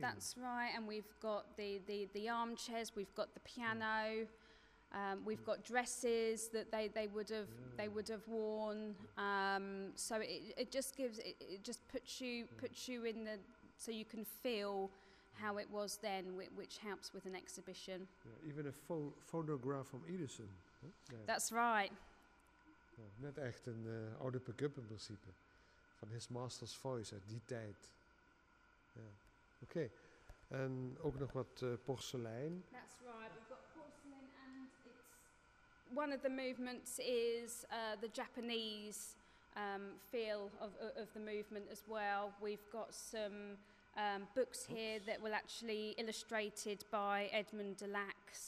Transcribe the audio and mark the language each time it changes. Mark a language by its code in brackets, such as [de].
[en] That's right, and we've got the armchairs, we've got the piano, we've got dresses that they would have worn. So it just puts you in the, so you can feel how it was then, which helps with an exhibition. Yeah, even a phonograph from Edison. Huh? Yeah. That's right. [nl] Yeah, net echt een oude pick-up in principe. Van his master's voice uit die tijd. Ja. Oké. Okay. En ook nog wat porselein. [en] That's right. We've got porcelain, and it's one of the movements is the Japanese feel of the movement as well. We've got some books here that were actually illustrated by Edmund Delac.